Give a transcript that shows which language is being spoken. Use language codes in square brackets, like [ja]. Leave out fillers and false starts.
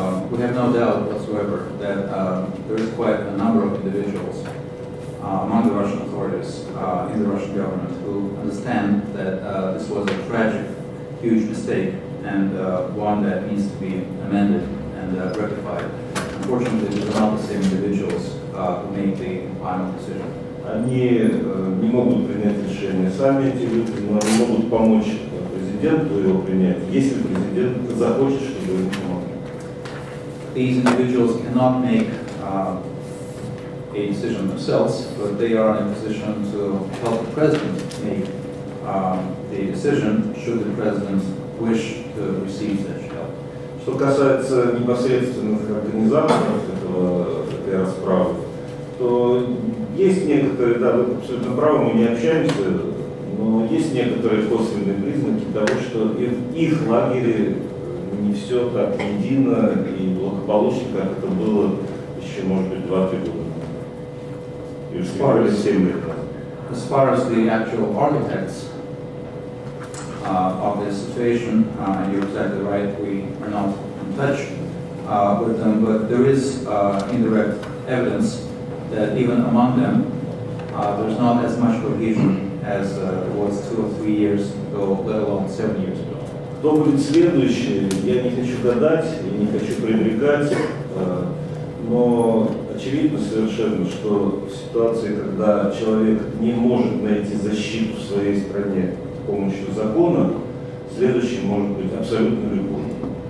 [en] We have no doubt whatsoever that there is quite a number of individuals among the Russian authorities in the Russian government who understand that this was a tragic, huge mistake and one that needs to be amended and rectified. Unfortunately, these are not the same individuals who made the final decision. [ru] Они не могут принять решение сами эти люди, но они могут помочь президенту его принять, если президент захочет, чтобы он помог. [en] These individuals cannot make a decision themselves, but they are in a position to help the president make the decision, should the president wish to receive such help. [ru] Что касается непосредственных организаторов этой расправы, то есть некоторые, да, вы абсолютно правы, мы не общаемся, но есть некоторые косвенные признаки того, что их лагере не все так едино и благополучно, как это было еще, может быть, 2-3 года. И уж более 7 лет. [en] As far as the actual architects of this situation, you're exactly right, we are not in touch with them, but there is indirect evidence that even among them, there's not as much cohesion as it was 2 or 3 years ago, let alone 7 years ago. [ru] Кто будет следующий, я не хочу гадать и не хочу предрекать, но очевидно совершенно, что в ситуации, когда человек не может найти защиту в своей стране с помощью закона, следующий может быть абсолютно любой.